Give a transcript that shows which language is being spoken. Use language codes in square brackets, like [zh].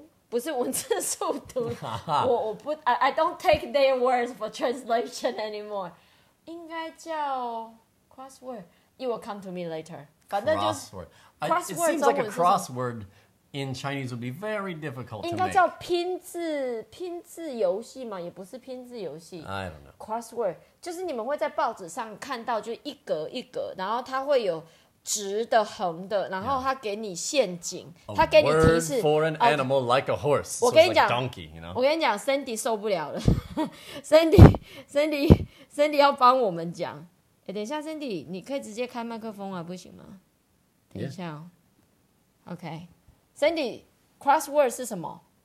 [zh] 就是那种一格一格,然后一个字母,然后拼字。文字速读。不是文字速读。 [en] I don't take their words for translation anymore. [zh] 应该叫... [en] Crossword. It will come to me later. Crossword. Crossword. It seems like a crossword in Chinese would be very difficult to make. [zh] 应该叫拼字游戏吗?也不是拼字游戏。 [en] I don't know. Crossword. [zh] 就是你们会在报纸上看到就一格一格, 然后它会有直的横的, 然后它给你陷阱, 它给你提示。 [en] A word for an animal like a horse. So it's like donkey, you know? [zh] 我跟你讲, Sandy受不了了。Sandy要帮我们讲。等一下 Sandy, 你可以直接开麦克风啊,不行吗? 等一下哦。 [en] Yeah. OK. [zh] Sandy, crossword 是什么?